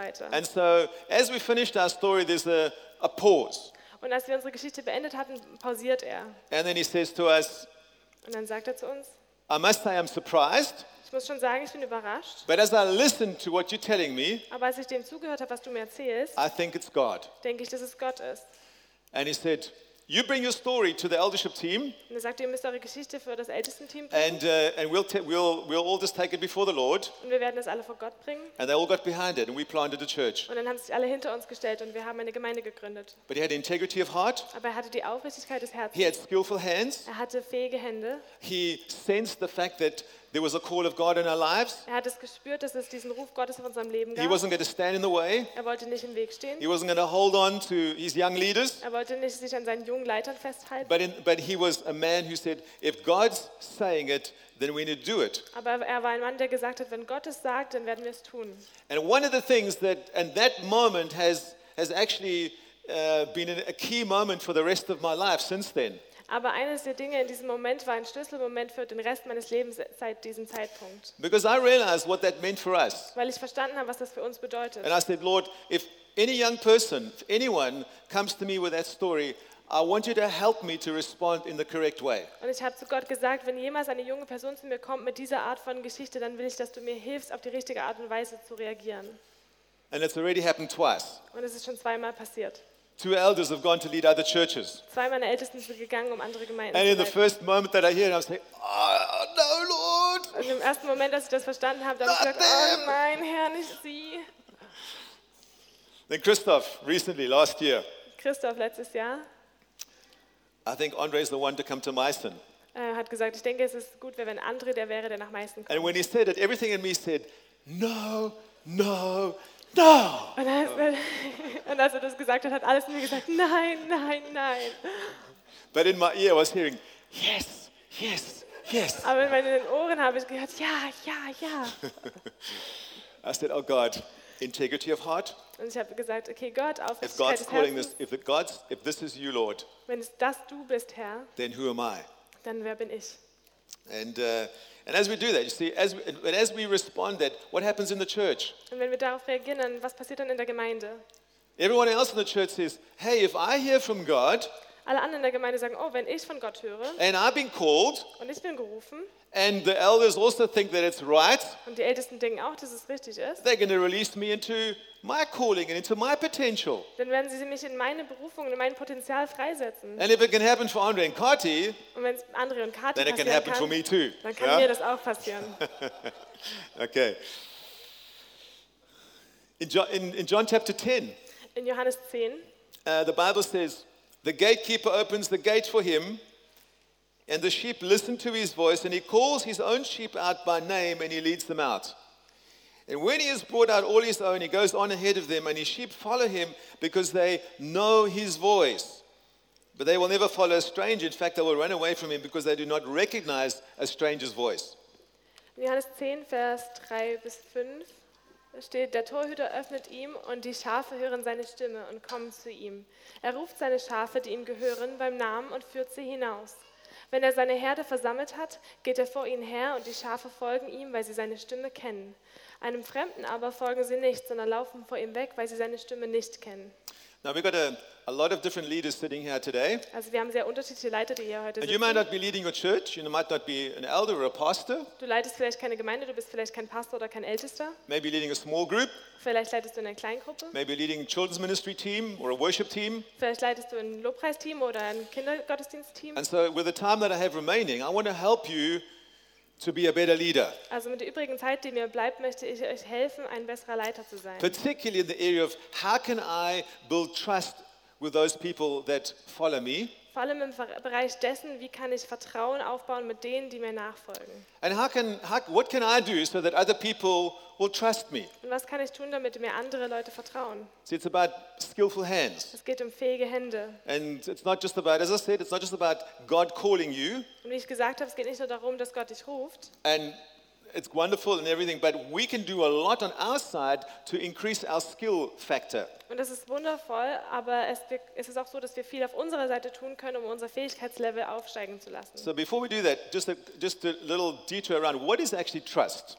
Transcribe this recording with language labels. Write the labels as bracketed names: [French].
[English] And so, as we finished our story, there's a pause. [German] Und als wir unsere Geschichte beendet hatten, pausiert er. [English] And then he says to us. [German] Und dann sagt er zu uns. [English] I must say, I'm surprised. [German] Ich muss schon sagen, ich bin überrascht. [English] But as I listen to what you're telling me, [German] aber als ich dem zugehört habe, was du mir erzählst, [English] I think it's God. [German] Denke ich, dass es Gott ist. [English] And he said, you bring your story to the eldership team. [German] Und er sagte, ihr müsst eure Geschichte für das Ältestenteam bringen. [English] And we'll all just take it before the Lord. [German] Und wir werden es alle vor Gott bringen. [English] And they all got behind it, and we planted a church. [German] Und dann haben sich alle hinter uns gestellt und wir haben eine Gemeinde gegründet. [English] But he had integrity of heart. [German] Aber er hatte die Aufrichtigkeit des Herzens. [English] He had skillful hands. [German] Er hatte fähige Hände. [English] He sensed the fact that there was a call of God in our lives. [German] Er hat es gespürt, dass es diesen Ruf Gottes auf unserem Leben gab. [English] He wasn't going to stand in the way. [German] Er wollte nicht im Weg stehen. [English] He wasn't going to hold on to his young leaders. [German] Er wollte nicht sich an seinen jungen Leitern festhalten. [English] But he was a man who said, if God's saying it, then we need to do it. [German] Aber er war ein Mann, der gesagt hat, wenn Gott es sagt, dann werden wir es tun. [English] And one of the things that and that moment has actually been a key moment for the rest of my life since then. [German] Aber eines der Dinge in diesem Moment war ein Schlüsselmoment für den Rest meines Lebens seit diesem Zeitpunkt. [English] Because I realized what that meant for us. [German] Weil ich verstanden habe, was das für uns bedeutet. [English] And I said, Lord, if any young person, if anyone comes to me with that story, I want you to help me to respond in the correct way. [German] Und ich habe zu Gott gesagt, wenn jemals eine junge Person zu mir kommt mit dieser Art von Geschichte, dann will ich, dass du mir hilfst, auf die richtige Art und Weise zu reagieren. [English] And it's already happened twice. [German] Und es ist schon zweimal passiert. [English] Two elders have gone to lead other churches. [German] Zwei meiner Ältesten sind gegangen, um andere Gemeinden. [English] And in the first moment that I hear it, I was like, oh, no, Lord. [German] Und im ersten Moment, als ich das verstanden habe, dann habe ich gesagt, oh, mein Herr, nicht sie. [English] Then Christoph, recently, last year. [German] Christoph, letztes Jahr. [English] I think Andre is the one to come to Meißen. [German] Hat gesagt, ich denke, es ist gut, wenn Andre der wäre, der nach Meißen kommt. [English] And when he said it, everything in me said, no, no. No. [German] Und als er das gesagt hat, hat alles in mir gesagt, nein, nein, nein. [English] But in my ear I was hearing, yes, yes, yes. [German] Aber in meinen Ohren habe ich gehört, ja, ja, ja. [English] I said, oh God, integrity of heart. [German] Und ich habe gesagt, okay, Gott, Aufrichtigkeit des Herzens. [English] If this is you, Lord. [German] Wenn es das du bist, Herr. [English] Then who am I? [German] Dann wer bin ich? [English] And as we do that, you see, as we respond, that what happens in the church? [German] Und wenn wir darauf reagieren, dann was passiert dann in der Gemeinde? [English] Everyone else in the church says, "Hey, if I hear from God." [German] Alle anderen in der Gemeinde sagen, oh, wenn ich von Gott höre. [English] And I've been called. [German] Und ich bin gerufen. [English] And the elders also think that it's right. [German] Und die Ältesten denken auch, dass es richtig ist. [English] They're going to release me into my calling and into my potential. [German] Dann werden sie mich in meine Berufung und in mein Potenzial freisetzen. [English] And if it can happen for Andre and Kati, [German] und wenn es Andre und Kati [English] then it can happen [German] kann, [English] for me too. [German] Dann kann mir das auch passieren. [English] Okay. In John chapter 10. [German] In Johannes 10. [English] The Bible says, the gatekeeper opens the gate for him. And the sheep listen to his voice, and he calls his own sheep out by name, and he leads them out. And when he has brought out all his own, he goes on ahead of them, and his sheep follow him, because they know his voice. But they will never follow a stranger. In fact, they will run away from him, because they do not recognize a stranger's voice. [German] Johannes 10, Vers 3 bis 5 steht, der Torhüter öffnet ihm, und die Schafe hören seine Stimme und kommen zu ihm. Er ruft seine Schafe, die ihm gehören, beim Namen und führt sie hinaus. Wenn er seine Herde versammelt hat, geht er vor ihnen her und die Schafe folgen ihm, weil sie seine Stimme kennen. Einem Fremden aber folgen sie nicht, sondern laufen vor ihm weg, weil sie seine Stimme nicht kennen. [English] Now we've got a lot of different leaders sitting here today. [German] Also wir haben sehr unterschiedliche Leiter, die hier heute sitzen. [English] And you might not be leading your church. You might not be an elder or a pastor. [German] Du leitest vielleicht keine Gemeinde. Du bist vielleicht kein Pastor oder kein Ältester. [English] Maybe leading a small group. [German] Vielleicht leitest du eine Kleingruppe. [English] Maybe leading a children's ministry team or a worship team. [German] Vielleicht leitest du ein Lobpreisteam oder ein Kindergottesdienstteam. [English] And so, with the time that I have remaining, I want to help you to be a better leader. [German] Also mit der übrigen Zeit, die mir bleibt, möchte ich euch helfen, ein besserer Leiter zu sein. [English] Particularly in the area of how can I build trust with those people that follow me? [German] Vor allem im Bereich dessen, wie kann ich Vertrauen aufbauen mit denen, die mir nachfolgen? [English] And what can I do so that other people will trust me? [German] Und was kann ich tun, damit mir andere Leute vertrauen? [English] See, it's about skillful hands. [German] Es geht um fähige Hände. [English] And it's not just about, as I said, it's not just about God calling you. [German] Und wie ich gesagt habe, es geht nicht nur darum, dass Gott dich ruft. [English] And it's wonderful and everything, but we can do a lot on our side to increase our skill factor. [German] Und das ist wundervoll, aber es ist auch so, dass wir viel auf unserer Seite tun können, um unser Fähigkeitslevel aufsteigen zu lassen. [English] So before we do that, just a little detour around, what is actually trust?